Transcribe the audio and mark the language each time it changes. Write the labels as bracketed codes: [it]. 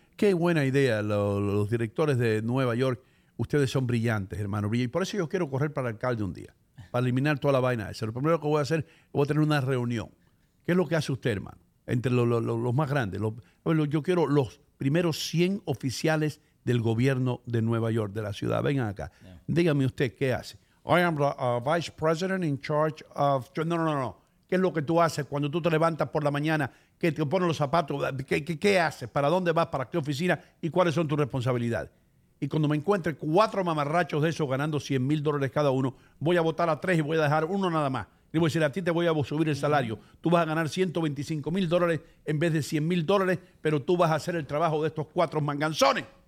[es] Qué buena idea, los directores de Nueva York. Ustedes son brillantes, hermano. Y por eso yo quiero correr para alcalde un día, para eliminar toda la vaina esa. Lo primero que voy a hacer, voy a tener una reunión. ¿Qué es lo que hace usted, hermano? Entre los más grandes. Yo quiero los primeros 100 oficiales del gobierno de Nueva York, de la ciudad. Vengan acá. Dígame usted, ¿qué hace? [en] I am the vice president in charge of... [es] No. ¿Qué es lo que tú haces cuando tú te levantas por la mañana? ¿Qué te pones los zapatos? ¿Qué haces? ¿Para dónde vas? ¿Para qué oficina? ¿Y cuáles son tus responsabilidades? Y cuando me encuentre cuatro mamarrachos de esos ganando $100,000 cada uno, voy a votar a tres y voy a dejar uno nada más. Y voy a decir, a ti te voy a subir el salario. Tú vas a ganar $125,000 en vez de $100,000, pero tú vas a hacer el trabajo de estos cuatro manganzones.